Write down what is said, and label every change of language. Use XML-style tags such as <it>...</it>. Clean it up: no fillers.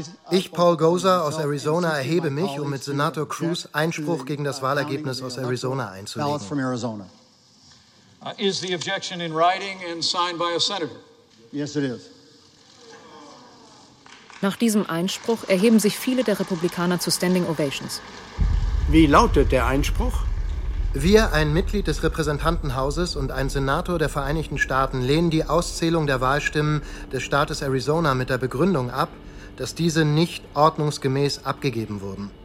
<de>Ich, Paul Gosar aus Arizona, erhebe mich, um mit Senator Cruz Einspruch gegen das Wahlergebnis aus Arizona einzulegen.</de> <en>Is the objection in writing and signed by a senator? Yes, it is.</en> <de>Nach diesem Einspruch erheben sich viele der Republikaner zu Standing Ovations. Wie lautet der Einspruch? Wir, ein Mitglied des Repräsentantenhauses und ein Senator der Vereinigten Staaten, lehnen die Auszählung der Wahlstimmen des Staates Arizona mit der Begründung ab, dass diese nicht ordnungsgemäß abgegeben wurden.</de>